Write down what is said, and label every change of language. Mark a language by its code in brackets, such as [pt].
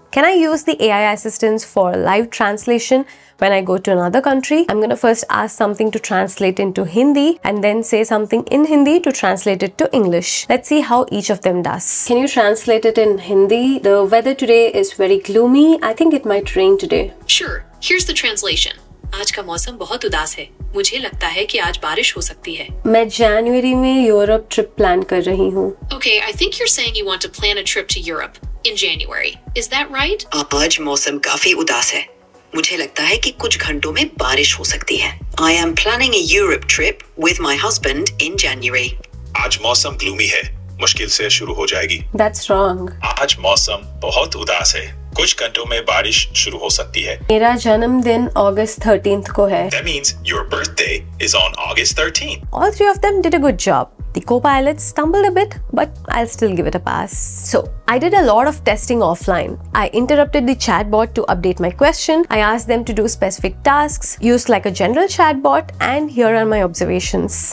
[en] Can I use the AI assistants for live translation when I go to another country? I'm gonna first ask something to translate into Hindi and then say something in Hindi to translate it to English. Let's see how each of them does. Can you translate it in Hindi? The weather today is very gloomy. I think it might rain today. Sure, here's the translation. [hi] आज का मौसम बहुत उदास है, मुझे लगता है कि आज बारिश हो सकती है। मैं जनवरी में यूरोप ट्रिप प्लान कर रही हूँ। [en] Okay, I think you're saying you want to plan a trip to Europe in January. Is that right? [hi] आज मौसम काफी उदास है, मुझे लगता है कि कुछ घंटों में बारिश हो सकती है। [en] I am planning a Europe trip with my husband in January. [hi] आज मौसम ग्लूमी है, मुश्किल से शुरू हो जाएगी। [en] That's wrong. [hi] आज मौसम बहुत उदास है, कुछ घंटों में बारिश शुरू हो सकती है। मेरा जन्मदिन अगस्त 13th को है। [en] That means your birthday is on August 13th. All three of them did a good job. The co-pilot stumbled a bit, but I'll still give it a pass. So, I did a lot of testing offline. I interrupted the chatbot to update my question. I asked them to do specific tasks, used like a general chatbot, and here are my observations.